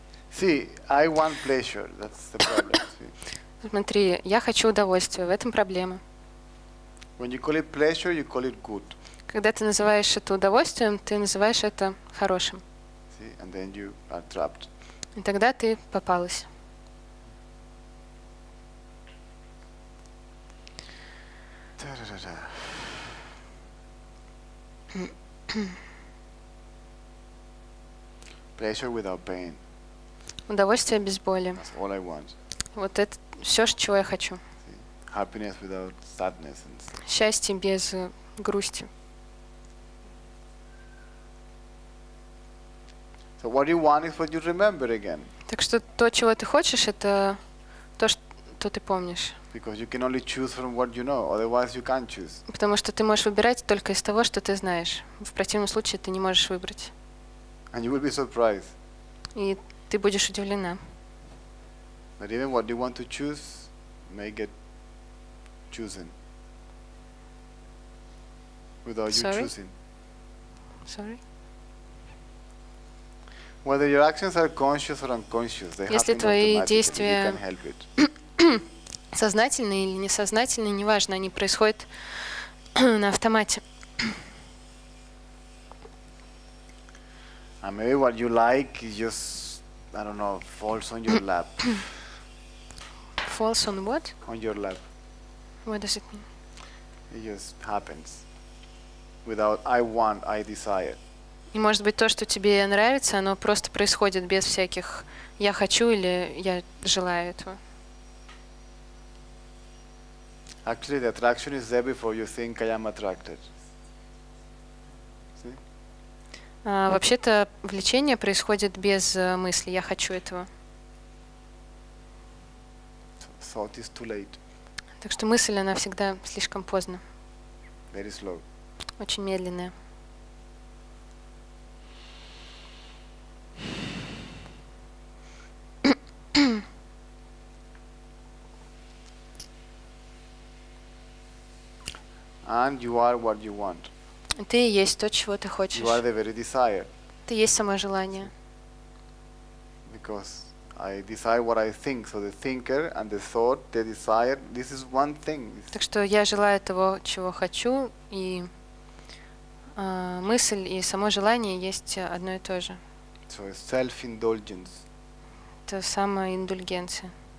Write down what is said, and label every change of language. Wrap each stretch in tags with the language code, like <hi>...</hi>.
<en>See, I want pleasure. That's the problem.</en> <ru>Смотри, я хочу удовольствия, в этом проблема.</ru> <en>When you call it pleasure, you call it good.</en> <ru>Когда ты называешь это удовольствием, ты называешь это хорошим.</ru> <en>See, and then you are trapped.</en> <ru>И тогда ты попалась. Та-ра-ра-ра.</ru> <en>Pleasure without pain.</en> <ru>Удовольствие без боли.</ru> <en>That's all I want.</en> <ru>Вот это все, чего я хочу.</ru> <en>Happiness without sadness.</en> <ru>Счастье без грусти.</ru> <en>So what you want is what you remember again.</en> <ru>Так что то, чего ты хочешь, это то, что ты помнишь.</ru> <en>Because you can only choose from what you know, otherwise you can't choose.</en> <ru>Потому что ты можешь выбирать только из того, что ты знаешь. В противном случае ты не можешь выбрать.</ru> <en>And you will be surprised.</en> <ru>И ты будешь удивлена.</ru> <en>But even what you want to choose may get chosen without you choosing. Sorry. Whether your actions are conscious or unconscious, they happen automatically. You can't help it.</en> <ru>Сознательные или несознательные, неважно, они происходят на автомате.</ru> <en>And maybe what you like is just, I don't know, falls on your lap. Falls on what? On your lap. What does it mean? It just happens. Without I want, I desire.</en> <ru>И может быть то, что тебе нравится, оно просто происходит без всяких я хочу или я желаю этого.</ru> <en>Actually, the attraction is there before you think I am attracted. See?</en> <ru>Вообще-то влечение происходит без мысли я хочу этого.</ru> <en>Thought is too late.</en> <ru>Так что мысль она всегда слишком поздно.</ru> <en>Very slow.</en> <ru>Очень медленная.</ru> <en>And you are what you want.</en> <ru>Ты есть то, чего ты хочешь.</ru> <en>You are the very desire.</en> <ru>Ты есть само желание.</ru> <en>Because I desire what I think, so the thinker and the thought, the desire, this is one thing.</en> <ru>Так что я желаю того, чего хочу, и мысль и само желание есть одно и то же.</ru> <en>So it's self-indulgence.</en> <ru>Это самоиндульгенция.</ru>